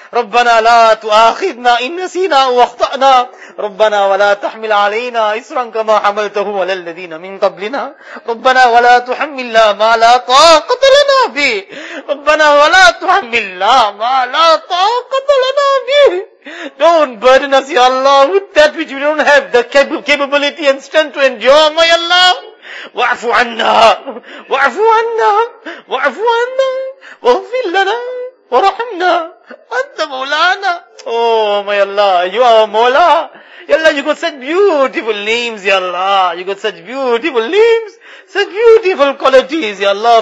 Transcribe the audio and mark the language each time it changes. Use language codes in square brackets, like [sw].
[ar] ربنا لا تؤاخذنا إن نسينا واخطأنا ربنا ولا تحمل علينا إصرا كما حملته على الذين من قبلنا ربنا ولا تحملنا ما لا طاقة لنا به ربنا ولا تحملنا ما لا طاقة لنا به. [en] Don't burden us, ya Allah, with that which we don't have the capability and strength to endure, my Allah. [ar] واعفو عنا واعفو عنا واعفو عنا واغفر لنا ورحمنا أنت مولانا. [en] Oh my Allah, you are a Mola. Ya Allah, you got such beautiful names, ya Allah. You got such beautiful names, such beautiful qualities, ya Allah.